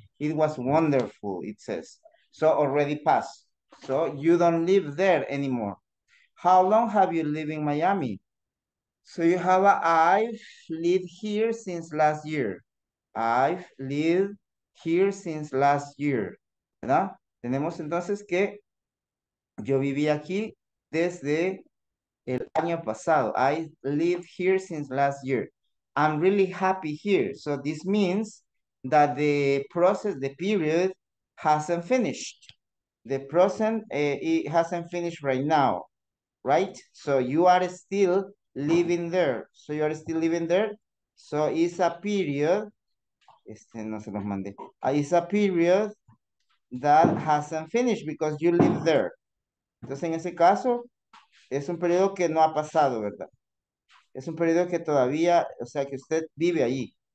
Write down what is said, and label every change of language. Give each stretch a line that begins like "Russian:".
English: It was wonderful, it says. So already passed. So you don't live there anymore. How long have you lived in Miami? So you have, I've lived here since last year. I've lived here since last year,
Spanish: ¿verdad? Tenemos entonces que yo viví aquí desde el año pasado.
English: I lived here since last year. I'm really happy here. So this means that the process, the period hasn't finished. The present, it hasn't finished right now, right? So you are still living there. So you are still living there. So it's a period.
Spanish: Este no se los mandé.
English: It's a period that hasn't finished because you live there.
Spanish: Entonces, en ese caso, es un periodo que no ha pasado, ¿verdad? Es un periodo que todavía, o sea, que usted vive allí.